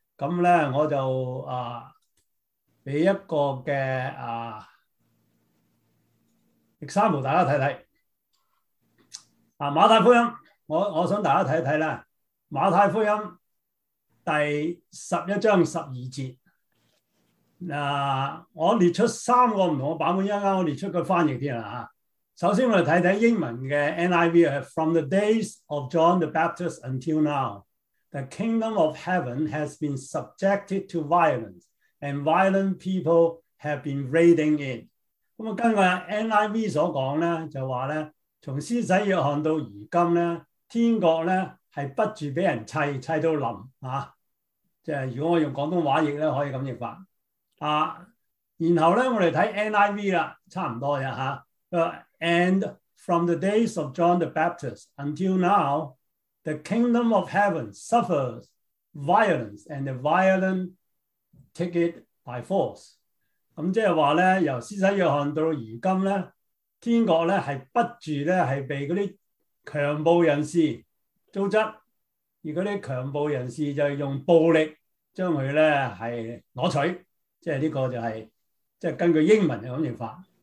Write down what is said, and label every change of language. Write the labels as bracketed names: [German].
[Cantonese] 咁咧我就俾一個嘅example 大家睇睇。馬太福音。我想大家睇一睇啦，《马太福音》第11章12节。我列出三个唔同嘅版本，一阵间我列出个翻译添啦吓。首先我哋睇睇英文嘅 NIV 系 [English] From the days of John the Baptist until now, the kingdom of heaven has been subjected to violence, and violent people have been raiding it。 [Cantonese] 咁啊，根据 NIV 所讲咧，就话咧，从施洗约翰到如今咧。天国咧系不住俾人砌，砌到冧啊！即系如果我用广东话译咧，可以咁译法啊。然后咧，我哋睇 NIV 啦，差唔多嘅吓。 [English] And from the days of John the Baptist until now, the kingdom of heaven suffers violence, and the violent take it by force。 [Cantonese] 咁即系话咧，由施洗约翰到如今咧，天国咧系不住咧系被嗰啲強暴人士糟質，而嗰啲強暴人士就用暴力將佢咧係攞取，即係呢個就係即係根據英文嘅咁譯法。